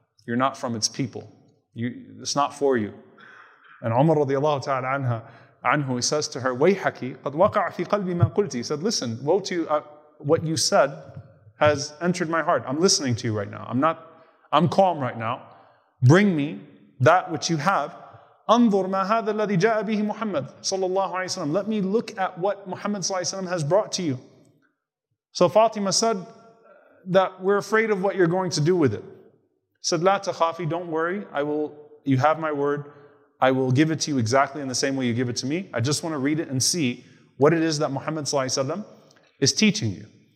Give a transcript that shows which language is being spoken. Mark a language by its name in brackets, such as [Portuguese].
[English] You're not from its people. It's not for you. And Umar radiallahu ta'ala anhu, he says to her, [Arabic] "Wayhaki, qad waqa'a fi qalbi ma qulti." [English] He said, "Listen, woe to you, what you said has entered my heart. I'm listening to you right now. I'm not I'm calm right now. Bring me that which you have. [Arabic] أنظر ما هذا الذي جاء به محمد صلى الله عليه وسلم. [English] Let me look at what Muhammad صلى الله عليه وسلم has brought to you. So Fatima said that we're afraid of what you're going to do with it. Said, [Arabic] لا تخافي, [English] don't worry. I will. You have my word. I will give it to you exactly in the same way you give it to me. I just want to read it and see what it is that Muhammad صلى الله عليه وسلم is teaching you.